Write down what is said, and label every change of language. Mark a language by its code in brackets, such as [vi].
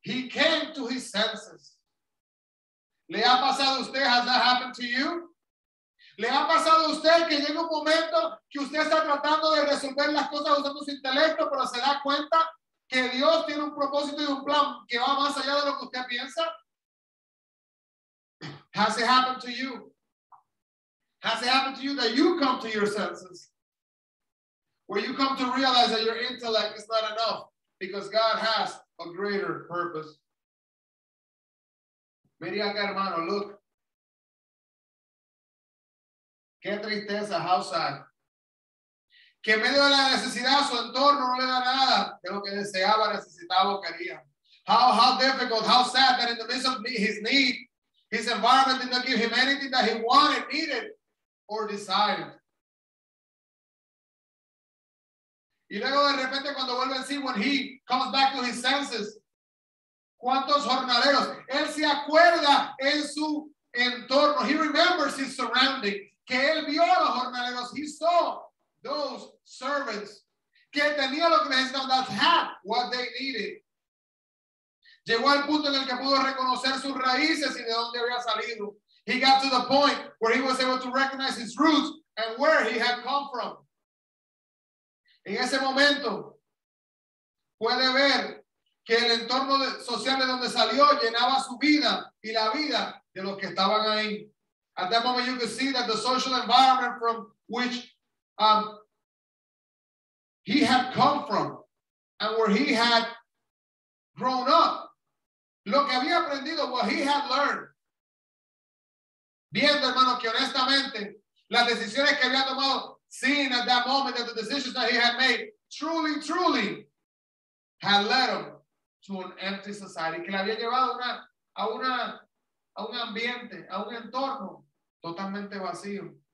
[en] He came to his senses. [es] ¿Le ha pasado a usted? [en] Has that happened to you? [es] ¿Le ha pasado a usted que llega un momento que usted está tratando de resolver las cosas usando su intelecto, pero se da cuenta que Dios tiene un propósito y un plan que va más allá de lo que usted piensa? [en] Has it happened to you? Has it happened to you that you come to your senses? Where you come to realize that your intellect is not enough because God has a greater purpose. [es] Mira acá, hermano, [en] look. [es] Qué tristeza, [en] how sad. [es] Que en medio de la necesidad, su entorno no le da nada de lo que deseaba, necesitaba o quería. [en] How difficult, how sad that in the midst of his need, his environment did not give him anything that he wanted, needed, or desired. [es] Y luego de repente cuando vuelve en sí, [en] when he comes back to his senses, [es] ¿cuántos jornaleros? Él se acuerda en su entorno. [en] He remembers his surroundings. [es] Que él vio a los jornaleros. [en] He saw those servants. [es] Que tenía lo que necesitaban. [en] That had what they needed. [es] Llegó al punto en el que pudo reconocer sus raíces y de dónde había salido. [en] He got to the point where he was able to recognize his roots and where he had come from. [es] En ese momento, puede ver que el entorno social de donde salió llenaba su vida y la vida de los que estaban ahí. [en] At that moment you could see that the social environment from which he had come from and where he had grown up, [es] lo que había aprendido, [en] what he had learned, [es] viendo, hermano, que honestamente las decisiones que había tomado, [en] seeing at that moment that the decisions that he had made truly, truly had led him to an empty society, [es] que le había llevado a un ambiente, a un entorno totalmente vacío.